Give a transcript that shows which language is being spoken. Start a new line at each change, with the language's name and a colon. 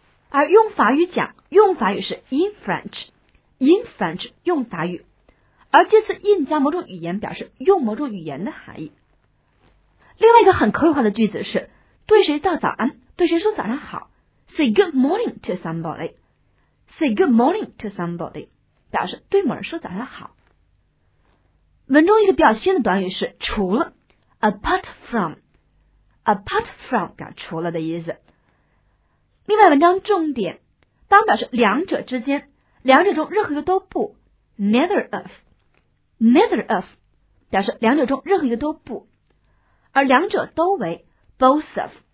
Chinese: 而用法语讲，用法语是
English: in French,
Chinese: in French, 用法语。而这次in加某种语言表示用某种语言的含义。另外一个很口语化的句子是对谁道早安，对谁说早上好。
English: Say good morning to somebody. Say good morning to somebody.
Chinese: 表示对某人说早上好。文中一个比较新的短语是除了
English: apart from,
Chinese: apart from 表示除了的意思。另外文章重点当表示两者之间，两者中任何一个都不
English: neither of,
Chinese: neither of 表示两者中任何一个都不，而两者都为
English: both of,